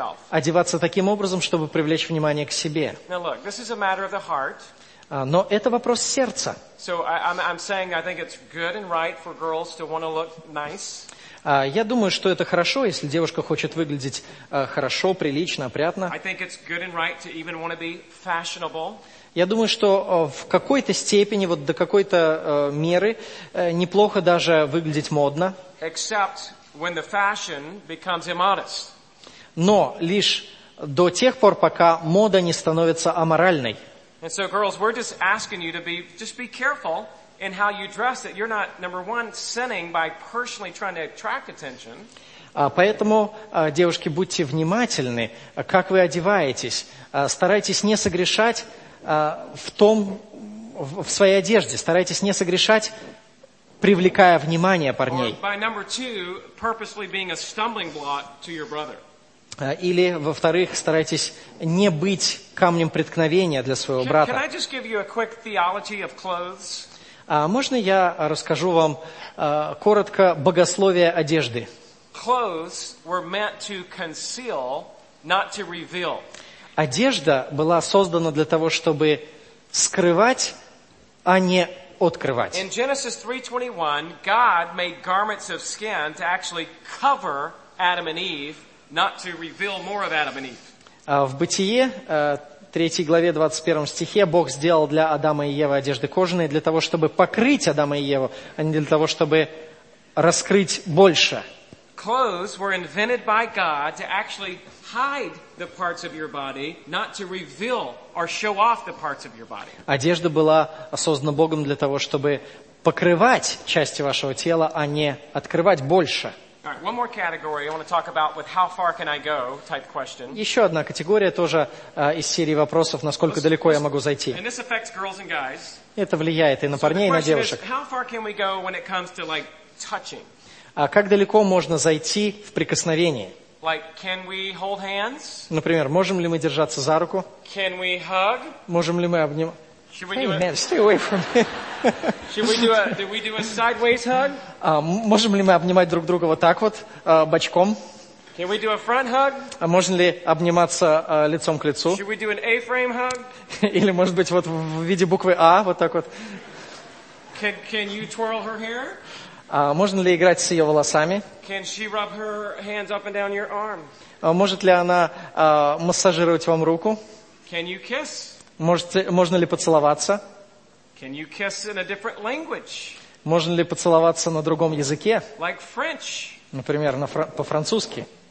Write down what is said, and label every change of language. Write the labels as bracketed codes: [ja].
[ru] Одеваться таким образом, чтобы привлечь внимание к себе. [en] Now look, this is a matter of the heart. [ru] Но это вопрос сердца. [en] So I'm saying I think it's good and right for girls to want to look nice. [ru] Я думаю, что это хорошо, если девушка хочет выглядеть хорошо, прилично, опрятно. [en] I think it's good and right to even want to be fashionable. [ru] Я думаю, что в какой-то степени, вот до какой-то меры, неплохо даже выглядеть модно. [en] Except when the fashion becomes immodest. [ru] Но лишь до тех пор, пока мода не становится аморальной. [en] And so, girls, we're just asking you to be, just be careful in how you dress, that you're not, number one, sinning by personally trying to attract attention. [ru] Поэтому, девушки, будьте внимательны, как вы одеваетесь. Старайтесь не согрешать в своей одежде. Старайтесь не согрешать, привлекая внимание парней. [en] By number two, purposely being a stumbling block to your brother. [ru] Или, во-вторых, старайтесь не быть камнем преткновения для своего брата. [en] Can I just give you a quick theology of clothes? [ru] Можно я расскажу вам коротко богословие одежды? [en] Clothes were meant to conceal, not to reveal. [ru] Одежда была создана для того, чтобы скрывать, а не открывать. [en] In Genesis 3:21, God made garments of skin to actually cover Adam and Eve, not to reveal more of Adam and Eve. [ru] В Бытие, 3 главе, 21 стихе, Бог сделал для Адама и Евы одежды кожаные для того, чтобы покрыть Адама и Еву, а не для того, чтобы раскрыть больше. [en] Clothes were invented by God to actually hide the parts of your body, not to reveal or show off the parts of your body. [ru] Одежда была создана Богом для того, чтобы покрывать части вашего тела, а не открывать больше. [en] All right, one more category I want to talk about with how far can I go type question. [ru] Еще одна категория тоже из серии вопросов, насколько далеко я могу зайти. [en] And this affects girls and guys. [ru] Это влияет и на парней, и на девушек. [en] How far can we go when it comes to like touching? [ru] А как далеко можно зайти в прикосновении? [en] Like, can we hold hands? [ru] Например, можем ли мы держаться за руку? [en] Can we hug? [ru] Можем ли мы обнимать? [en] Should we hey, do man, a... stay away from me. Should we do a, did we do a sideways hug? [ru] Можем ли мы обнимать друг друга вот так вот, бочком? [en] Can we do a front hug? [ru] А можно ли обниматься лицом к лицу? [en] Should we do an A-frame hug? [ru] Или, может быть, вот в виде буквы А, вот так вот. [en] Can you twirl her hair? [ru] Можно ли играть с ее волосами? [en] Can she rub her hands up and down your arm? [ru] Может ли она массажировать вам руку? [en] Can you kiss? [ru] Можно ли поцеловаться? [en] Can you kiss in a different language? [ru] Можно ли поцеловаться на другом языке? [en] Like French. [ru] Например, по-французски.